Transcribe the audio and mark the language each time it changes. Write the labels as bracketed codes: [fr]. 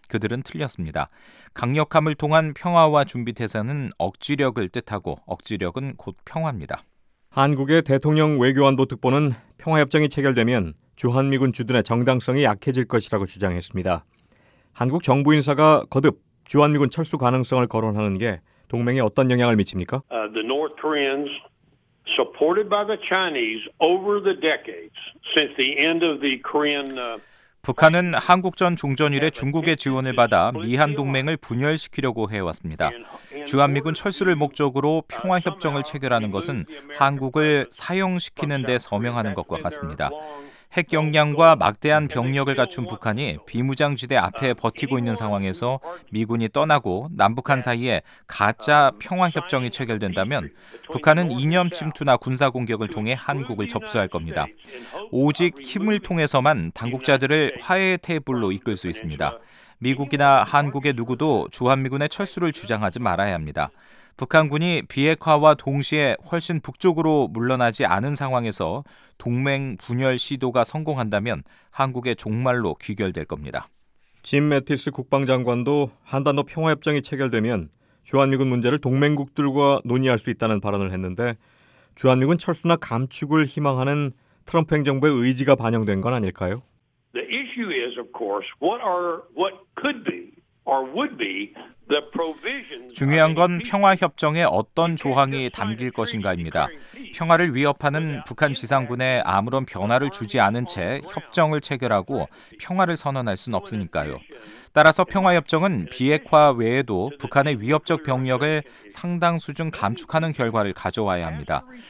[ko] 그들은 틀렸습니다. 강력함을 통한 평화와 준비태세는 억지력을 뜻하고 억지력은 곧 평화입니다. 한국의 대통령 외교안보 특보는 평화협정이 체결되면 주한미군 주둔의 정당성이 약해질 것이라고 주장했습니다. 한국 정부 인사가 거듭 주한미군 철수 가능성을 거론하는 게 동맹에 어떤 영향을 미칩니까? [en] The North Koreans supported by the Chinese over the decades since the end of the Korean [ko] 북한은 한국전 종전 이래 중국의 지원을 받아 미한 동맹을 분열시키려고 해왔습니다. 주한미군 철수를 목적으로 평화협정을 체결하는 것은 한국을 사형시키는 데 서명하는 것과 같습니다. 핵 역량과 막대한 병력을 갖춘 북한이 비무장지대 앞에 버티고 있는 상황에서 미군이 떠나고 남북한 사이에 가짜 평화협정이 체결된다면 북한은 이념 침투나 군사 공격을 통해 한국을 접수할 겁니다. 오직 힘을 통해서만 당국자들을 화해 테이블로 이끌 수 있습니다. 미국이나 한국의 누구도 주한미군의 철수를 주장하지 말아야 합니다. 북한군이 비핵화와 동시에 훨씬 북쪽으로 물러나지 않은 상황에서 동맹 분열 시도가 성공한다면 한국의 종말로 귀결될 겁니다. 짐 매티스 국방장관도 한반도 평화협정이 체결되면 주한미군 문제를 동맹국들과 논의할 수 있다는 발언을 했는데 주한미군 철수나 감축을 희망하는 트럼프 행정부의 의지가 반영된 건 아닐까요? [en] The issue is of course what could be or would be [ko] 중요한 건 평화협정에 어떤 조항이 담길 것인가입니다. 평화를 위협하는 북한 지상군에 아무런 변화를 주지 않은 채 협정을 체결하고 평화를 선언할 순 없으니까요. 따라서 평화협정은 비핵화 외에도 북한의 위협적 병력을 상당 수준 감축하는 결과를 가져와야 합니다.